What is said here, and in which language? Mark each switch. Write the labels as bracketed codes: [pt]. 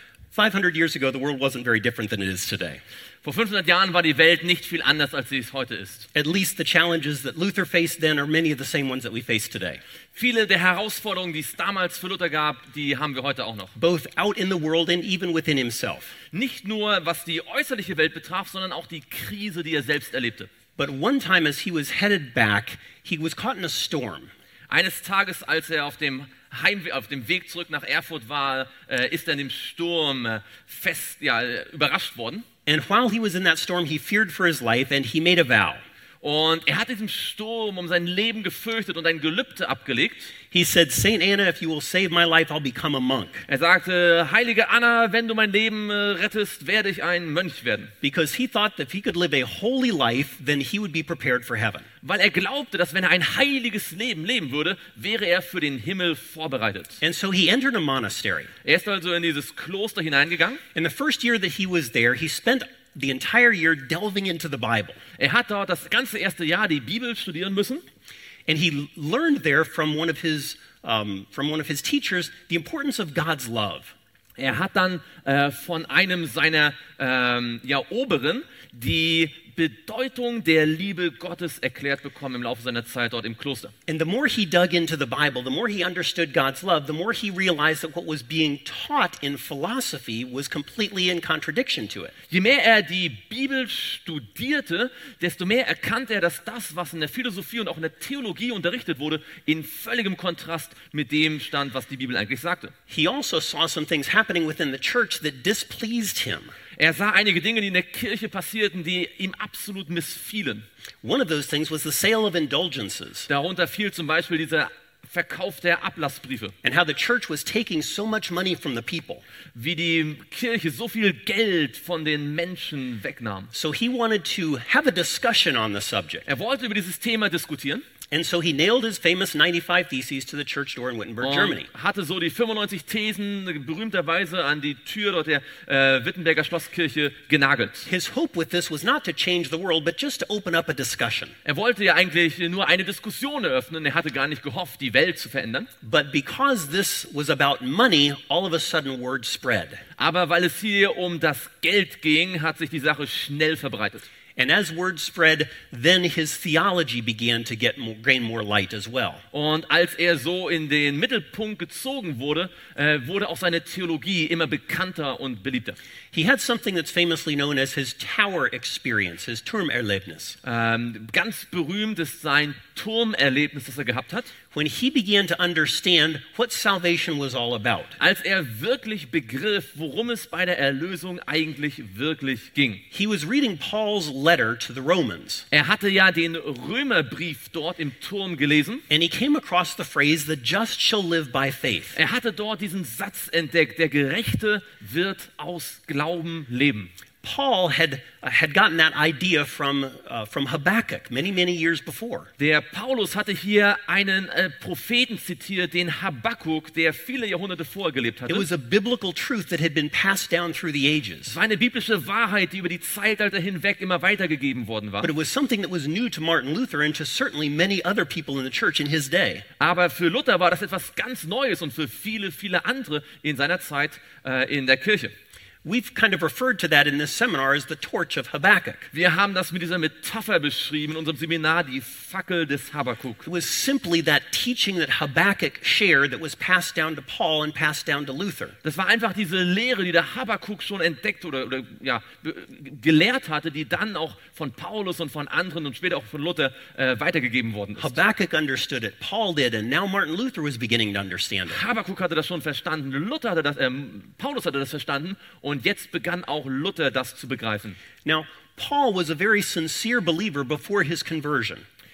[en] 500 years ago, the world wasn't very different than it is today. [de] Vor 500 Jahren war die Welt nicht viel anders, als sie es heute ist. [en] At least the challenges that Luther faced then are many of the same ones that we face today. [de] Viele der Herausforderungen, die es damals für Luther gab, die haben wir heute auch noch. [en] Both out in the world and even within himself. [de] Nicht nur was die äußerliche Welt betraf, sondern auch die Krise, die er selbst erlebte. [en] But one time as he was headed back, he was caught in a storm. [de] Eines Tages, als er auf dem Weg zurück nach Erfurt war, ist er in dem Sturm überrascht worden. [en] And while he was in that storm, he feared for his life and he made a vow. [de] Und er hat diesen Sturm um sein Leben gefürchtet und ein Gelübde abgelegt. [en] He said, Saint Anna, if you will save my life, I'll become a monk. [de] Er sagte, heilige Anna, wenn du mein Leben rettest, werde ich ein Mönch werden. [en] Because he thought that if he could live a holy life, then he would be prepared for heaven. [de] Weil er glaubte, dass wenn er ein heiliges Leben leben würde, wäre er für den Himmel vorbereitet. [en] And so he entered a monastery. [de] Er ist also in dieses Kloster hineingegangen. [en] In the first year that he was there, he spent the entire year delving into the Bible. [de] Er hat dort das ganze erste Jahr die Bibel studieren müssen. [en] And he learned there from one of his teachers the importance of God's love. [de] Er hat dann von einem seiner Oberen die Bedeutung der Liebe Gottes erklärt bekommen im Laufe seiner Zeit dort im Kloster. [en] And the more he dug into the Bible, the more he understood God's love, the more he realized that what was being taught in philosophy was completely in contradiction to it. [de] Je mehr er die Bibel studierte, desto mehr erkannte er, dass das, was in der Philosophie und auch in der Theologie unterrichtet wurde, in völligem Kontrast mit dem stand, was die Bibel eigentlich sagte. [en] He also saw some things happening within the church that displeased him. [de] Er sah einige Dinge, die in der Kirche passierten, die ihm absolut missfielen. [en] One of those things was the sale of indulgences. [de] Darunter fiel zum Beispiel dieser Verkauf der Ablassbriefe. [en] And how the church was taking so much money from the people. [de] Wie die Kirche so viel Geld von den Menschen wegnahm. [en] So he wanted to have a discussion on the subject. [de] Er wollte über dieses Thema diskutieren. [en] And so he nailed his famous 95 theses to the church door in Wittenberg, Germany. [de] Hatte so die 95 Thesen berühmterweise an die Tür dort der Wittenberger Schlosskirche genagelt. [en] His hope with this was not to change the world, but just to open up a discussion. [de] Er wollte ja eigentlich nur eine Diskussion eröffnen. Er hatte gar nicht gehofft, die Welt zu verändern. [en] But because this was about money, all of a sudden word spread. [de] Aber weil es hier um das Geld ging, hat sich die Sache schnell verbreitet. [en] And as word spread, then his theology began to get more, gain more light as well. [de] Und als er so in den Mittelpunkt gezogen wurde, wurde auch seine Theologie immer bekannter und beliebter. [en] He had something that's famously known as his tower experience, his Turmerlebnis. [de] Ganz berühmt ist sein Turmerlebnis, das er gehabt hat. [en] When he began to understand what salvation was all about. [de] Als er wirklich begriff, worum es bei der Erlösung eigentlich wirklich ging. [en] He was reading Paul's letter to the Romans. [de] Er hatte ja den Römerbrief dort im Turm gelesen. [en] And he came across the phrase, the just shall live by faith. [de] Er hatte dort diesen Satz entdeckt, der Gerechte wird aus Glauben leben. [en] Paul had gotten that idea from Habakkuk many, many years before. [de] Der Paulus hatte hier einen Propheten zitiert, den Habakkuk, der viele Jahrhunderte vorher gelebt hatte. [en] It was a biblical truth that had been passed down through the ages. [de] War eine biblische Wahrheit, die über die Zeitalter hinweg immer weitergegeben worden war. [en] But it was something that was new to Martin Luther and to certainly many other people in the church in his day. [de] Aber für Luther war das etwas ganz Neues und für viele, viele andere in seiner Zeit in der Kirche. [en] We've kind of referred to that in this seminar as the torch of Habakkuk. [de] Wir haben das mit dieser Metapher beschrieben in unserem Seminar, die Fackel des Habakkuk. [en] It was simply that teaching that Habakkuk shared that was passed down to Paul and passed down to Luther. [de] Das war einfach diese Lehre, die der Habakkuk schon entdeckt oder ja, gelehrt hatte, die dann auch von Paulus und von anderen und später auch von Luther weitergegeben worden ist. [en] Habakkuk understood it, Paul did, and now Martin Luther was beginning to understand it. [de] Habakkuk hatte das schon verstanden, Luther hatte das, Paulus hatte das verstanden. Und jetzt begann auch Luther das zu begreifen. [en] Now, Paul was a very sincere believer before his conversion.